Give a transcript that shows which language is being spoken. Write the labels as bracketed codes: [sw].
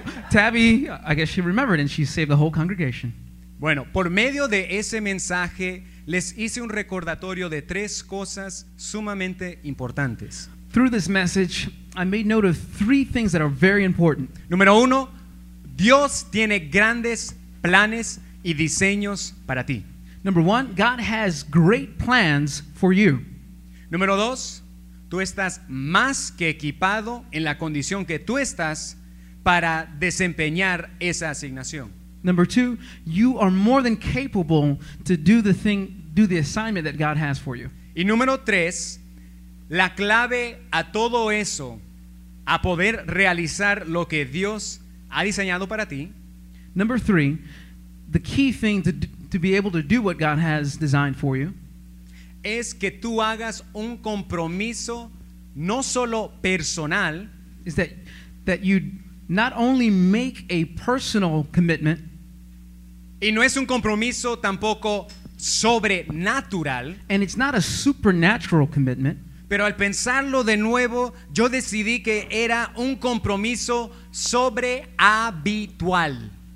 [en] Tabby, I guess she remembered and she saved the whole congregation. [es] Bueno, por medio de ese mensaje, les hice un recordatorio de tres cosas sumamente importantes. [en] Through this message, I made note of three things that are very important. [es] Número uno, Dios tiene grandes planes y diseños para ti. [en] Number one, God has great plans for you. [es] Número dos, tú estás más que equipado en la condición que tú estás para desempeñar esa asignación. [en] Number two, you are more than capable to do the thing, do the assignment that God has for you. [es] Y número tres, la clave a todo eso, a poder realizar lo que Dios ha diseñado para ti. [en] Number three, the key thing to be able to do what God has designed for you. [es] Es que tú hagas un compromiso no solo personal. [en] Is that you not only make a personal commitment. [es] Y no es un compromiso tampoco sobrenatural. [en] And it's not a supernatural commitment. [es] Pero al pensarlo de nuevo, yo decidí que era un compromiso sobrehabitual.